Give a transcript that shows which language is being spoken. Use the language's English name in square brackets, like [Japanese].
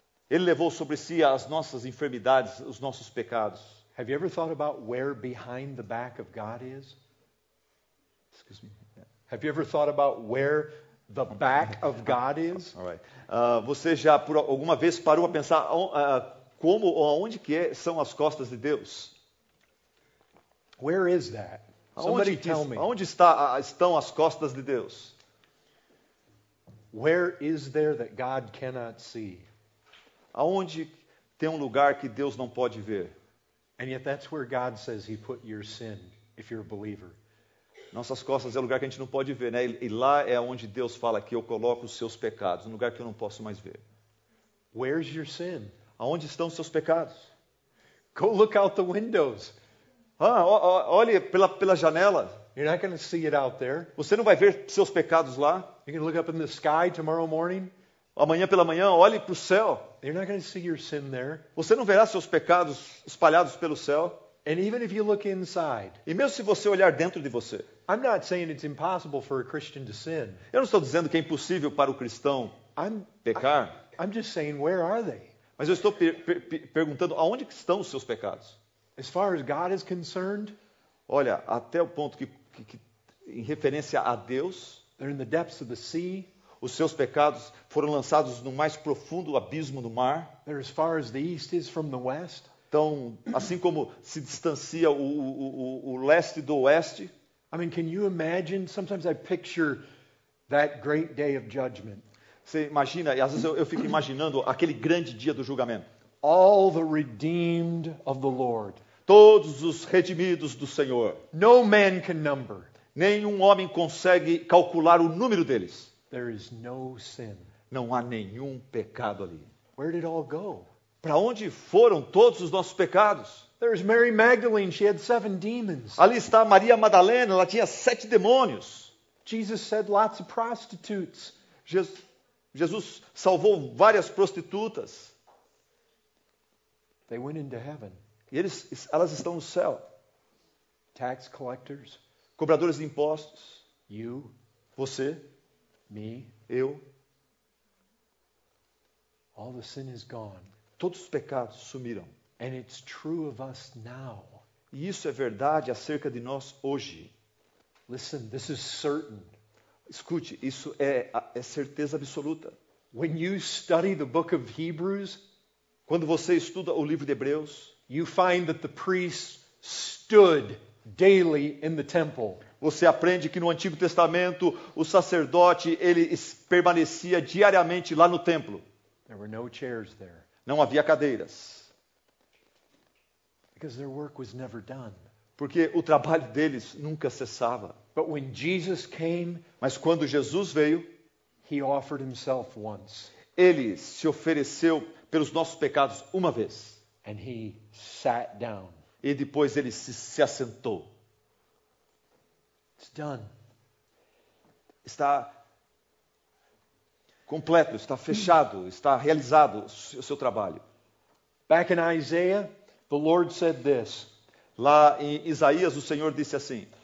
[Portuguese] Ele levou sobre si as nossas enfermidades, os nossos pecados. [English] Have you ever thought about where behind the back of God is? Excuse me. Have you ever thought about where the back of God is? All right. [Portuguese] Você já por alguma vez parou a pensar como ou aonde que são as costas de Deus? [English] Where is that? Somebody tell me. [Portuguese] Aonde estão as costas de Deus? [English] Where is there that God cannot see? [Portuguese] Aonde tem um lugar que Deus não pode ver? [English] And yet that's where God says he put your sin if you're a believer. [Portuguese] Nossas costas é o lugar que a gente não pode ver, né? E lá é onde Deus fala que eu coloco os seus pecados, um lugar que eu não posso mais ver. [English] Where's your sin? [Portuguese] Aonde estão os seus pecados? [English] Go look out the windows. [Portuguese] Ah, olhe pela janela. [English] You're not going to see it out there. [Portuguese] Você não vai ver seus pecados lá. [English] You're going to look up in the sky tomorrow morning. [Portuguese] Amanhã pela manhã, olhe para o céu. [English] You're not going to see your sin there. [Portuguese] Você não verá seus pecados espalhados pelo céu. [English] And even if you look inside, [Portuguese] e mesmo se você olhar dentro de você, [English] I'm not saying it's impossible for a Christian to sin. [Portuguese] Eu não estou dizendo que é impossível para o cristão pecar. [English] I'm just saying, where are they? [Portuguese] Mas eu estou perguntando, aonde que estão os seus pecados? [English] As far as God is concerned, [Portuguese] olha, até o ponto que em referência a Deus, [English] they're in the depths of the sea, [Portuguese] os seus pecados foram lançados no mais profundo abismo do mar. [English] They're as far as the east is from the west. [Portuguese] Então, assim como se distancia o leste do oeste. [English] I mean, can you imagine? Sometimes I picture that great day of judgment. [Portuguese] Você imagina? E às vezes eu fico imaginando aquele grande dia do julgamento. [English] All the redeemed of the Lord. [Portuguese] Todos os redimidos do Senhor. [English] No man can number. [Portuguese] Nenhum homem consegue calcular o número deles. [English] There is no sin. [Portuguese] Não há nenhum pecado ali. [English] Where did it all go? [Portuguese] Para onde foram todos os nossos pecados? [English] There's Mary Magdalene, she had 7 demons. [Portuguese] Ali está Maria Madalena, ela tinha 7 demônios. [English] Jesus said lots of prostitutes. [Portuguese] Jesus salvou várias prostitutas. [English] They went into heaven. [Portuguese] E elas estão no céu. [English] Tax collectors, [Portuguese] cobradores de impostos. [English] You, [Portuguese] você. [English] Me, [Portuguese] eu. [English] All the sin is gone. [Portuguese] Todos os pecados sumiram. [English] And it's true of us now. [Portuguese] E isso é verdade acerca de nós hoje. [English] Listen, this is certain. [Portuguese] Escute, isso é certeza absoluta. [English] When you study the book of Hebrews, [Portuguese] quando você estuda o livro de Hebreus, [English] you find that the priests stood daily in the temple. [Portuguese] Você aprende que no Antigo Testamento o sacerdote ele permanecia diariamente lá no templo. [English] There were no chairs there. [Portuguese] Não havia cadeiras. [English] Because their work was never done. [Portuguese] Porque o trabalho deles nunca cessava. [English] But when Jesus came, [Portuguese] mas quando Jesus veio, [English] he offered himself once. [Portuguese] Ele se ofereceu pelos nossos pecados uma vez. [English] And he sat down. [Portuguese] E depois ele se assentou. [English] It's done. [Portuguese] Está completo, está fechado, está realizado o seu trabalho. [English] Back in Isaiah, the Lord said this. [Portuguese] Lá em Isaías, o Senhor disse assim.